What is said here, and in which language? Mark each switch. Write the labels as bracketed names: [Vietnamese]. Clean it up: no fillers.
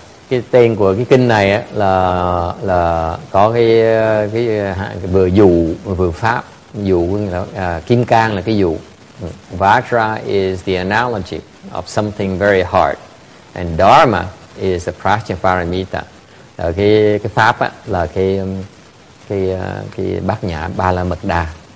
[Vietnamese] Cái tên của cái kinh này á, là có cái vừa dụ vừa pháp. Dụ là kim cang là cái dụ. [English] Vajra is the analogy of something very hard, and dharma is the Prajnaparamita. [Vietnamese] Cái pháp á, là cái bát nhã ba la mật đà.